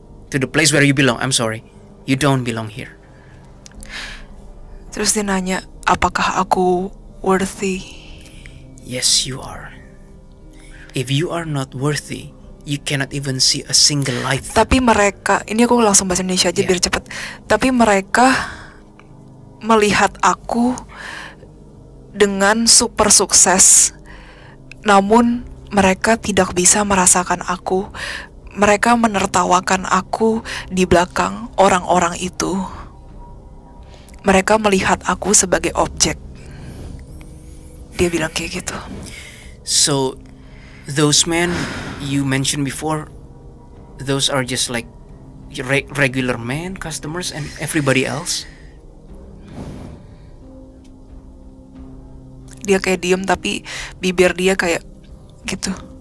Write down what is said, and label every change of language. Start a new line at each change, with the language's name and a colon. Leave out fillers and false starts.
English: To the place where you belong, I'm sorry. You don't belong here.
Indonesian: Terus dia nanya, apakah aku worthy?
English: Yes, you are. If you are not worthy, you cannot even see a single light.
Indonesian: Tapi mereka, ini aku langsung bahasa Indonesia aja, yeah, biar cepet. Tapi mereka melihat aku dengan super sukses, namun mereka tidak bisa merasakan aku. Mereka menertawakan aku di belakang orang-orang itu. Mereka melihat aku sebagai objek. Dia bilang kayak gitu.
English: So, those men you mentioned before, those are just like regular men, customers, and everybody else?
Indonesian: Dia kayak diem, tapi bibir dia kayak gitu.